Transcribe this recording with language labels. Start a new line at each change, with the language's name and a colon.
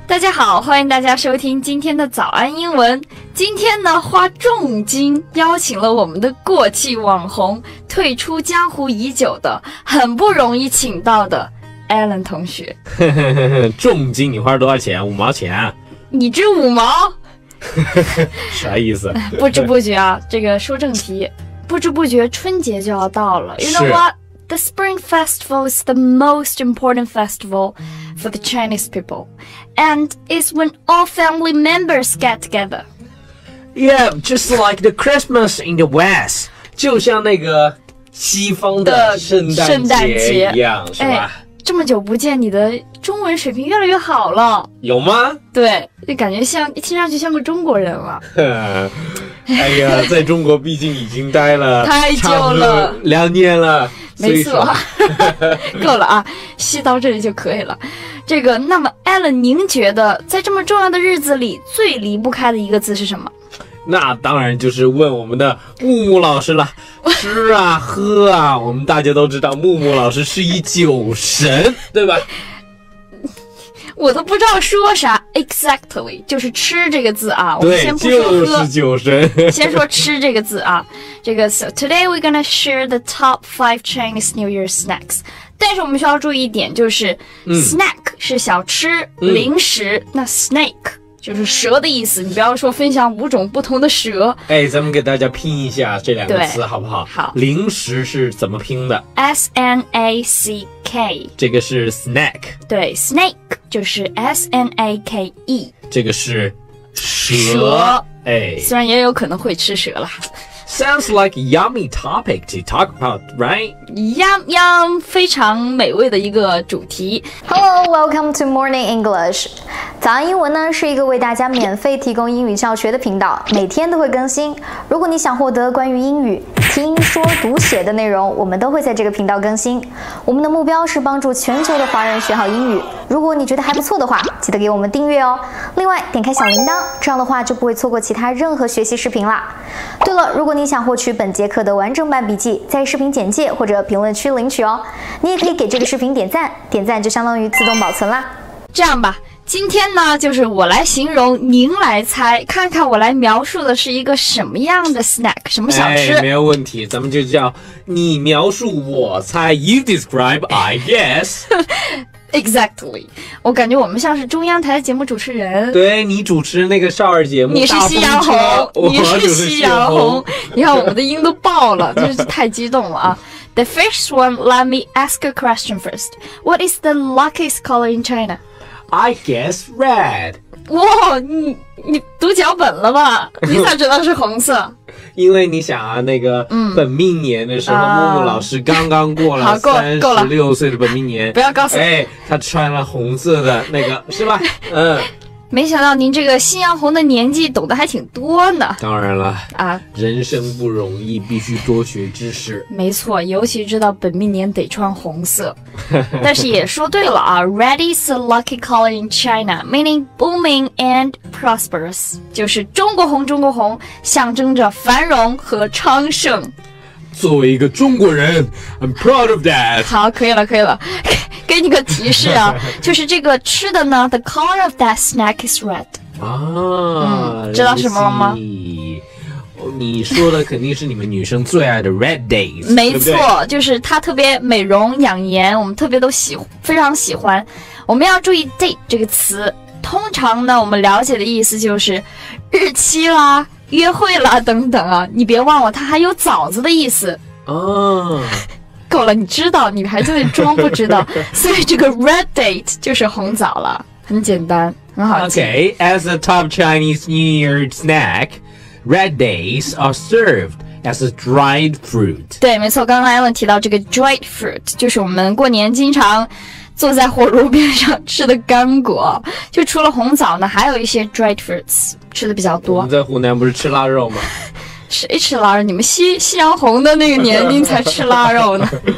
Chinese: 大家好，欢迎大家收听今天的早安英文。今天呢，花重金邀请了我们的过气网红，退出江湖已久的，很不容易请到的 Alan 同学。重金你花了多少钱？五毛钱？你这五毛？啥意思？不知不觉啊，这个说正题，不知不觉春节就要到了。
English: You know what? The Spring Festival is the most important festival for the Chinese people. And it's when all family members get together. Yeah, just like the Christmas in the West.
Chinese: 就像那个西方的圣诞节一样，是吧？这么久不见，你的中文水平越来越好了。有吗？对，就感觉像，听上去像个中国人了。哎呀，在中国毕竟已经待了太久了，两年了。没错，够了啊，戏到这里就可以了。这个，那么 Alan， 您觉得在这么重要的日子里，最离不开的一个字是什么？那当然就是问我们的木木老师了。吃啊，喝啊，我们大家都知道，木木老师是一酒神，对吧？我都不知道说啥 ，exactly 就是吃这个字啊。对，我们先不说喝，就是酒神。先说吃这个字啊，这个
English: so today we're gonna share the top 5 Chinese New Year snacks。
Chinese: 但是我们需要注意一点，就是 snack 是小吃、零食，那 snake 就是蛇的意思。你不要说分享五种不同的蛇。哎，咱们给大家拼一下这两个词好不好？好。零食是怎么拼的
English: ？S N A C K。
Chinese: 这个是 snack。对 ，snake 就是 S N A K E。这个是蛇。哎，虽然也有可能会吃蛇啦。
English: Sounds like yummy topic to talk about, right?
Chinese: Yum yum, 非常美味的一个主题。
English: Hello, welcome to Morning English.
Chinese: 早安英文呢是一个为大家免费提供英语教学的频道，每天都会更新。如果你想获得关于英语听说读写的内容，我们都会在这个频道更新。我们的目标是帮助全球的华人学好英语。如果你觉得还不错的话，记得给我们订阅哦。另外，点开小铃铛，这样的话就不会错过其他任何学习视频啦。对了，如果你想获取本节课的完整版笔记，在视频简介或者评论区领取哦。你也可以给这个视频点赞，点赞就相当于自动保存啦。这样吧，今天呢，就是我来形容，您来猜，看看我来描述的是一个什么样的 snack， 什么小吃？哎，没有问题，咱们就叫你描述我猜 ，
English: you describe I guess。
Chinese: Exactly， 我感觉我们像是中央台节目主持人。对，你主持那个少儿节目，你是夕阳红，你是夕阳红。你看我们的音都爆了，真是太激动了啊
English: ！The first one, let me ask a question first. What is the luckiest color in China? I guess red.
Chinese: 哇，你读脚本了吧？你咋知道是红色？因为你想啊，那个本命年的时候，木木老师刚刚过了36岁的本命年，不要告诉哎，他穿了红色的那个是吧？没想到您这个夕阳红的年纪懂得还挺多呢。当然了啊，人生不容易，必须多学知识。没错，尤其知道本命年得穿红色，但是也说对了啊 ，
English: Red is a lucky color in China, meaning booming and prosperous，
Chinese: 就是中国红，中国红，象征着繁荣和昌盛。作为一个中国人 ，
English: I'm proud of that。
Chinese: 好，可以了，可以了。给你个提示啊，就是这个吃的呢，
English: the color of that snack is red。
Chinese: 啊，知道什么了吗？你说的肯定是你们女生最爱的 red days，没错，对不对？就是它特别美容养颜，我们特别都喜欢，非常喜欢。我们要注意 date 这个词，通常呢，我们了解的意思就是日期啦、约会啦等等啊。你别忘了，它还有枣子的意思。啊。够了，你知道，女孩子在装不知道，所以这个 red date 就是红枣了，很简单，很好记。
English: Okay, as a top Chinese New Year snack, red dates are served as a dried fruit.
Chinese: 对，没错，刚刚 Alan 提到这个 dried fruit， 就是我们过年经常坐在火炉边上吃的干果。就除了红枣呢，还有一些 dried fruits 吃的比较多。我们在湖南不是吃腊肉吗？谁吃腊肉？你们夕阳红的那个年龄才吃腊肉呢。